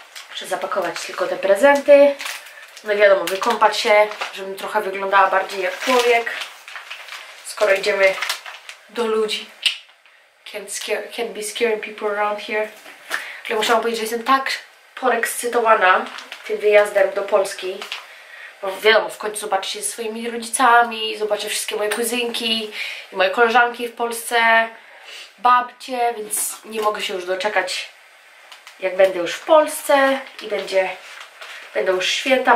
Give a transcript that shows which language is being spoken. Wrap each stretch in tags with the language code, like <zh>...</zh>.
<pl>Muszę zapakować tylko te prezenty. No wiadomo, wykąpać się, żebym trochę wyglądała bardziej jak człowiek. Skoro idziemy do ludzi.</pl> <en>Can't be scaring people around here.</en> <pl>Ale muszę wam powiedzieć, że jestem tak podekscytowana tym wyjazdem do Polski. Bo wiadomo, w końcu zobaczę się ze swoimi rodzicami, zobaczę wszystkie moje kuzynki i moje koleżanki w Polsce, babcie, więc nie mogę się już doczekać, jak będę już w Polsce i będą już święta.</pl>